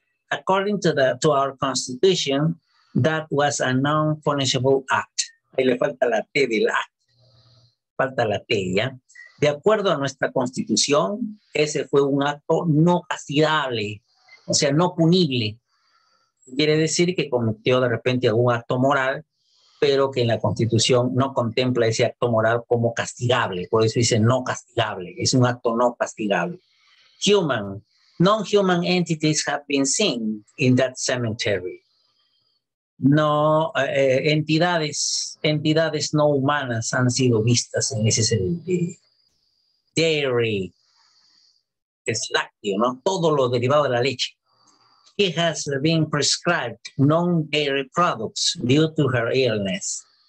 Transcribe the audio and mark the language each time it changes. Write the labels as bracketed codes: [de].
[en] According to our constitution, that was a non-punishable act. [es] Ahí le falta la T de la. Falta la T, ¿ya? De acuerdo a nuestra constitución, ese fue un acto no castigable, o sea, no punible. Quiere decir que cometió de repente algún acto moral, pero que en la constitución no contempla ese acto moral como castigable. Por eso dice no castigable, es un acto no castigable. Human. [en] Non-human entities have been seen in that cemetery. [es] No, entidades no humanas han sido vistas en ese sentido. Dairy, es lácteo, ¿no? Todo lo derivado de la leche. [en] She has been prescribed non-dairy products due to her illness.